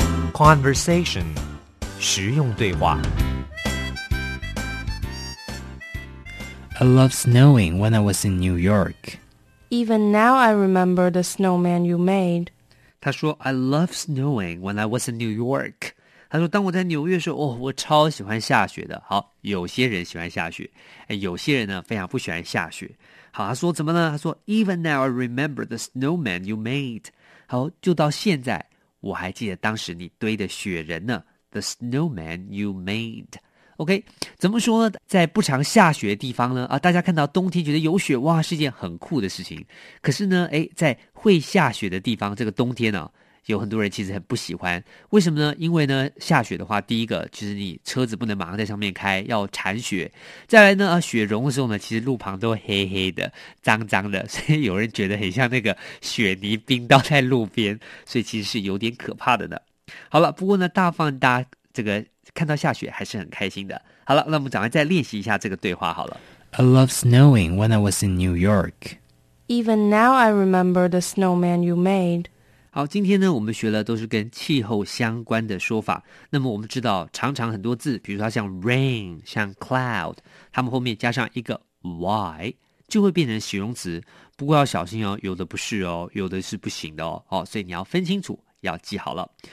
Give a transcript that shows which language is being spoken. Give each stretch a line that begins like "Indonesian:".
Chinese: Conversation 实用对话
English: I love snowing when I was in New York. Even now I remember the snowman you made.
Chinese: 他说
English: I love snowing when I was in New York.
Chinese: 他说当我在纽约的时候、我超喜欢下雪的。好有些人喜欢下雪、有些人呢非常不喜欢下雪。好他说怎么呢他说
English: Even now I remember the snowman you made.
Chinese: 好就到现在我还记得当时你堆的雪人呢
English: The snowman you made.
Chinese: OK, 怎么说呢在不常下雪的地方呢大家看到冬天觉得有雪哇是一件很酷的事情。可是呢在会下雪的地方这个冬天呢有很多人其实很不喜欢。为什么呢因为呢下雪的话第一个就是你车子不能马上在上面开要铲雪。再来呢雪融的时候呢其实路旁都黑黑的脏脏的所以有人觉得很像那个雪泥冰倒在路边所以其实是有点可怕的呢。好了不过呢大放大这个看到下雪还是很开心的。好了，那我们赶快再练习一下这个对话好了。
English: I love snowing when I was in New York. Even now I remember the snowman you made.
Chinese: 好，今天呢，我们学了都是跟气候相关的说法。那么我们知道，常常很多字，比如说像 rain， 像 cloud， 它们后面加上一个 y， 就会变成形容词。不过要小心哦，有的不是哦，有的是不行的哦。所以你要分清楚，要记好了。